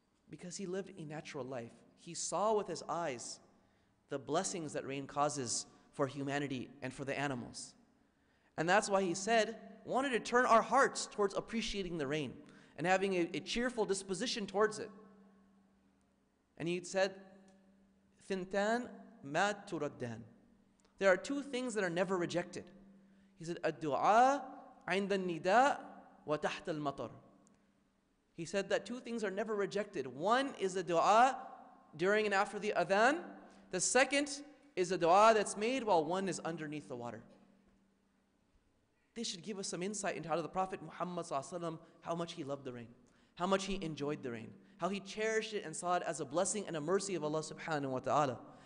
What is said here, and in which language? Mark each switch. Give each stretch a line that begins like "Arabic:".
English: Because he lived a natural life. He saw with his eyes the blessings that rain causes for humanity and for the animals. And that's why he said, wanted to turn our hearts towards appreciating the rain and having a cheerful disposition towards it. And he said,
Arabic: ثنتان ما تردان.
English: There are two things that are never rejected. He said,
Arabic: الدعاء عند النداء وتحت المطر.
English: He said that two things are never rejected. One is the dua during and after the adhan. The second is a dua that's made while one is underneath the water. This should give us some insight into how the Prophet Muhammad ﷺ, how much he loved the rain, how much he enjoyed the rain, how he cherished it and saw it as a blessing and a mercy of Allah subhanahu wa ta'ala.